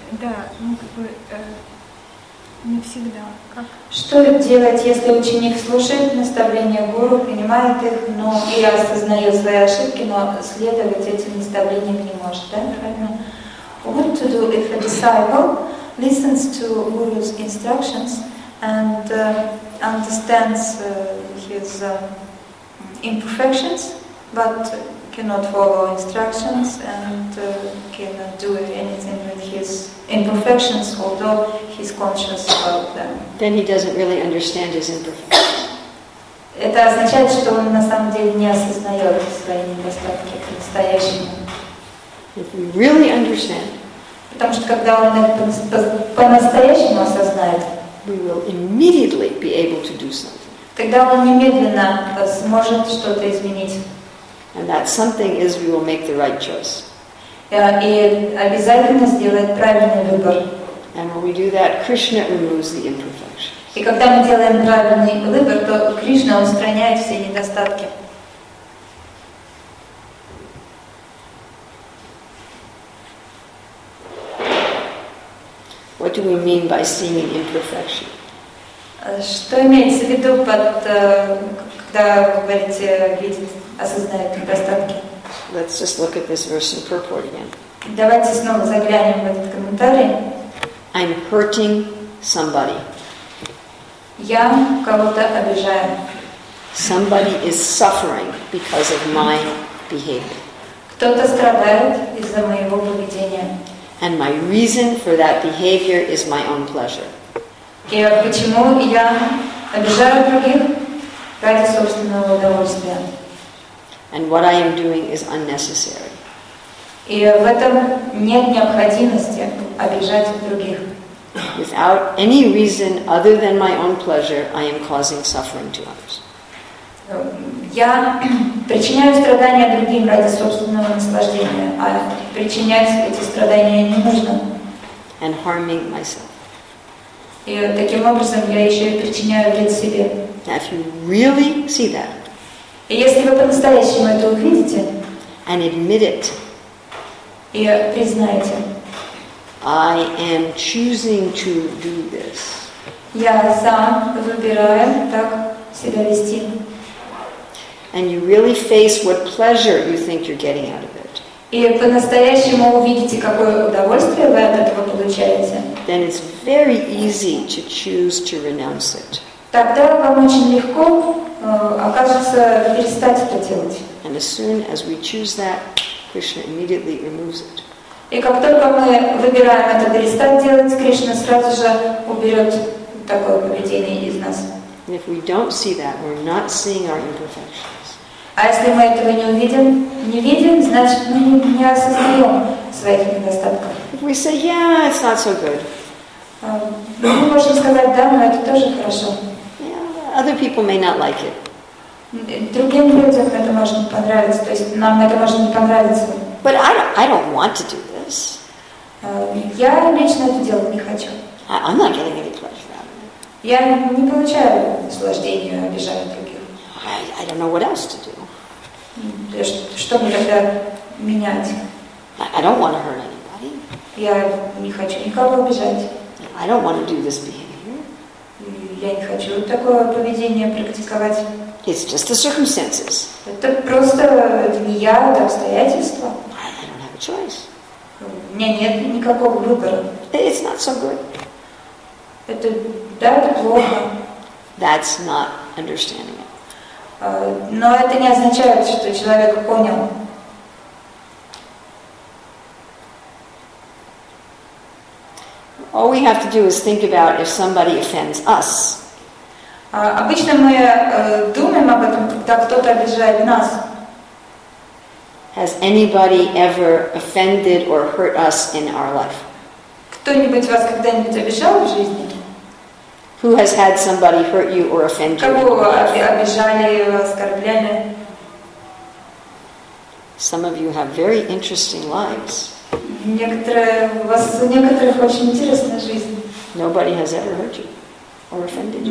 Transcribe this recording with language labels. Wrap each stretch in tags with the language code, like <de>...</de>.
<ru>Да, ну как бы не всегда. Как? Что делать, если ученик слушает наставления гуру, принимает их, но и осознает свои ошибки, но следовать этим наставлениям не может, да? Правильно?</ru> <en>What to do if a disciple listens to Guru's instructions and understands his imperfections, but cannot follow instructions and cannot do anything with his imperfections, although he's conscious about them. Then he doesn't really understand his imperfections.</en> <ru>Это означает, что он на самом деле не осознает свои недостатки по-настоящему.</ru> <en>If you really understand,</en> <ru>потому что когда он это по-настоящему осознает,</ru> <en>we will immediately be able to do something.</en> <ru>Тогда он немедленно сможет что-то изменить.</ru> <en>And that something is we will make the right choice.</en> <ru>И обязательно сделать правильный выбор.</ru> <en>And when we do that, Krishna removes the imperfection.</en> <ru>И когда мы делаем правильный выбор, то Кришна устраняет все недостатки.</ru> <en>What do we mean by seeing imperfection?</en> <ru>Что имеется в виду под, когда говорите, видит, осознает недостатки?</ru> <en>Let's just look at this verse in purport again.</en> <ru>Давайте снова заглянем в этот комментарий.</ru> <en>I'm hurting somebody.</en> <ru>Я кого-то обижаю.</ru> <en>Somebody is suffering because of my behavior.</en> <ru>Кто-то страдает из-за моего поведения.</ru> <en>And my reason for that behavior is my own pleasure.</en> <ru>И почему я обижаю других? Ради собственного удовольствия.</ru> <en>And what I am doing is unnecessary.</en> <ru>И в этом нет необходимости обижать других.</ru> <en>Without any reason other than my own pleasure, I am causing suffering to others.</en> <ru>Я причиняю страдания другим ради собственного наслаждения, а причинять эти страдания не нужно.</ru> <en>And harming myself.</en> <ru>И таким образом я еще и причиняю вред себе.</ru> <en>Now, if you really see that,</en> <ru>и если вы по-настоящему это увидите,</ru> <en>and admit it,</en> <ru>и признаете,</ru> <en>I am choosing to do this.</en> <ru>Я сам выбираю так себя вести.</ru> <en>And you really face what pleasure you think you're getting out of it.</en> <ru>И по-настоящему увидите, какое удовольствие вы от этого получаете.</ru> <en>Then it's very easy to choose to renounce it.</en> <ru>Тогда вам очень легко, окажется, перестать это делать.</ru> <en>And as soon as we choose that, Krishna immediately removes it.</en> <ru>И как только мы выбираем это перестать делать, Кришна сразу же уберет такое поведение из нас.</ru> <en>And if we don't see that, we're not seeing our imperfections.</en> <ru>А если мы этого не увидим, не видим, значит мы не осознаем своих недостатков.</ru> <en>If we say, yeah, it's not so good.</en> <ru>Мы можем сказать, да, но это тоже хорошо.</ru> <en>Yeah, other people may not like it.</en> <ru>Другим людям это может не понравиться, то есть нам это может не понравиться.</ru> <en>But I don't want to do this.</en> <ru>Я лично это делать не хочу.</ru> <en>I'm not getting any pleasure out of it.</en> <ru>Я не получаю наслаждения, обижая других.</ru> <en>I don't know what else to do.</en> <ru>Что мне тогда менять?</ru> <en>I don't want to hurt anybody.</en> <ru>Я не хочу никого обижать.</ru> <en>I don't want to do this behavior.</en> <ru>Я не хочу такое поведение практиковать.</ru> <en>It's just the circumstances.</en> <ru>Это просто не я, это обстоятельства.</ru> <en>Choice.</en> <ru>У меня нет никакого выбора.</ru> <en>It's not so good.</en> <ru>Это, да, это плохо.</ru> <en>That's not understanding it.</en> <ru>Но это не означает, что человек понял.</ru> <en>All we have to do is think about if somebody offends us.</en> <ru>Обычно мы думаем об этом, когда кто-то обижает нас.</ru> <en>Has anybody ever offended or hurt us in our life?</en> <ru>Кто-нибудь вас когда-нибудь обижал в жизни?</ru> <en>Who has had somebody hurt you or offend you?</en> <ru>Кого обижали, оскорбляли?</ru> <en>Some of you have very interesting lives.</en> <ru>Некоторые у вас у некоторых очень интересная жизнь.</ru> <en>Nobody has ever hurt you or offended you.</en>